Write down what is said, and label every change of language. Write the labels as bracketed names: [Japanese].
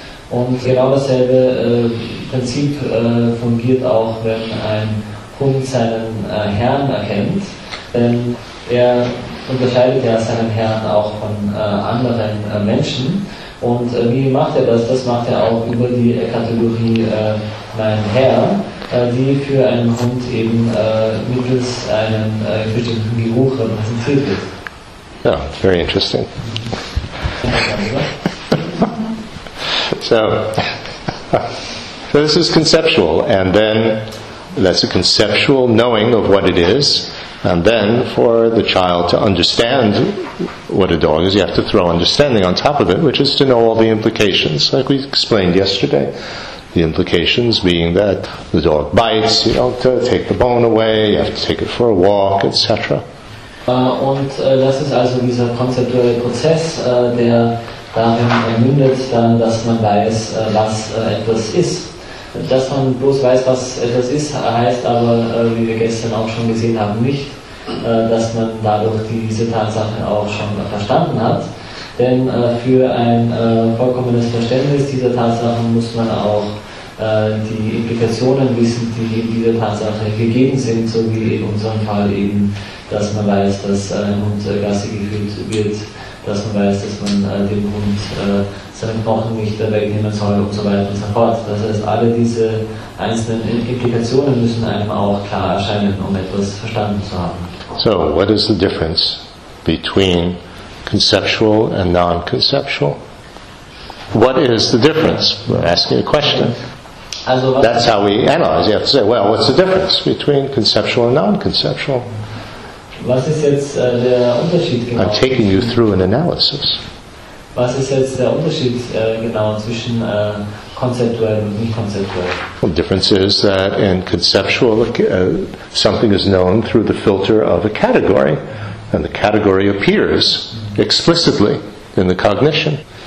[German] Und genau dasselbe Prinzip fungiert auch, wenn ein Hund seinen Herrn erkennt, denn er unterscheidet ja seinen Herrn auch von anderen Menschen. Und wie macht er das? Das macht er auch über die Kategorie mein Herr, die für einen Hund eben mittels einem bestimmten Geruch repräsentiert wird. Ja, [English] very interesting. So, this is conceptual, and then that's a conceptual knowing of what it is, and then for the child to understand what a dog is, you have to throw understanding on top of it, which is to know all the implications, like we explained yesterday. The implications being that the dog bites, you don't take the bone away, you have to take it for a walk, etc. [German] Und das ist also dieser konzeptuelle Prozess, der darin mündet, dann, dass man weiß, was etwas ist. Dass man bloß weiß, was etwas ist, heißt aber, wie wir gestern auch schon gesehen haben, nicht, dass man dadurch diese Tatsache auch schon verstanden hat. Denn für ein vollkommenes Verständnis dieser Tatsache muss man auch die Implikationen wissen, die in dieser Tatsache gegeben sind, so wie in unserem Fall eben, dass man weiß, dass ein Hund Gassi geführt wird, dass man weiß, dass man dem Hund seinen Knochen nicht wegnehmen soll und so weiter und so fort. Das heißt, alle diese einzelnen Implikationen müssen einem auch klar erscheinen, um etwas verstanden zu haben. [English] So, what is the difference between conceptual and non-conceptual? What is the difference? We're asking a question. Also, that's how we analyze. You have to say, well, what's the difference between conceptual and non-conceptual? [German] Was ist jetzt der Unterschied genau? [English] I'm taking you through an analysis. [German] Was ist jetzt der Unterschied genau zwischen konzeptuell und nicht konzeptuell? [English] Well, the difference is that in conceptual, something is known through the filter of a category, and the category appears explicitly in the cognition.